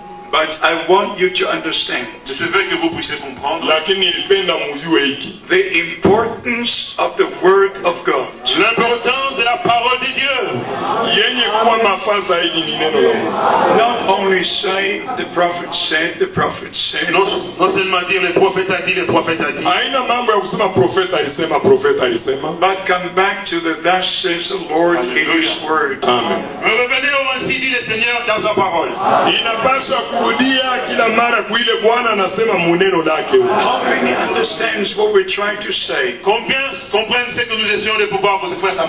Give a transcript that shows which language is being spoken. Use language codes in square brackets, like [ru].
[en] But I want you to understand the importance of the Word of God. [fr] L'importance de la parole de Dieu. [en] Not only say the prophet said, the prophet said. [fr] Non seulement dire le prophète a dit, le prophète a dit. [sw] Aina mambo ya kusema prophet aisema, prophet aisema. [en] But come back to the thus says the Lord in His Word. Amen. [fr] Revenez au ainsi dit le Seigneur dans sa parole. [sw] Inapaswa kurudia kila mara kuile Bwana anasema muneno lake. [en] How many understands what we're trying to say? [fr] Combien comprennent ce que nous essayons de pouvoir vous faire savoir?